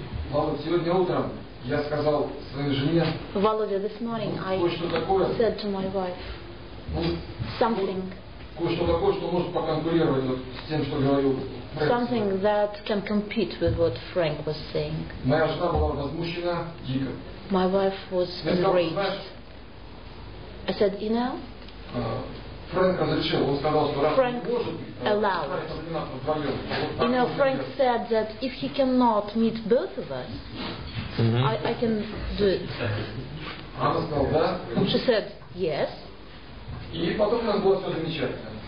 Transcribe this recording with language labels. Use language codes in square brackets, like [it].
[ru] Володя, сегодня утром я сказал своей жене. [en] Володя, this morning I said to my wife something. [ru] Кое-что такое, что может поконкурировать вот с тем, что говорил Фрэнк. [en] Something that can compete with what Frank was saying. [ru] Моя жена была возмущена дико. [en] My wife was enraged. I said, you know, [ru] Фрэнк разрешил, он сказал, что [en] Фрэнк allowed. You know, Frank said that if he cannot meet both of us, I can do it. [ru] Она сказала, да? [en] She said, yes. [ru] И потом у нас было все замечательно.